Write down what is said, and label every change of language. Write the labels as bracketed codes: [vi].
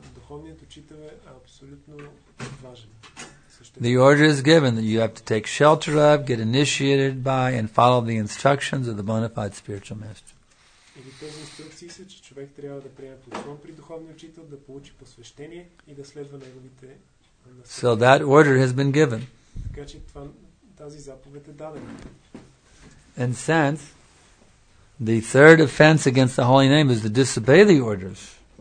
[bg] Преходният учител е абсолютно важен. [en] The order is given that you have to take shelter of, get initiated by, and follow the instructions of the bona fide spiritual master. [bg] И тези инструкции са, че човек трябва да приеме подслон при духовния учител, да получи посвещение и да следва неговите наставления. [en] So that order has been given. [bg] Така че тази заповед е дадена. [en] And since the third offense against the holy name is to disobey the orders.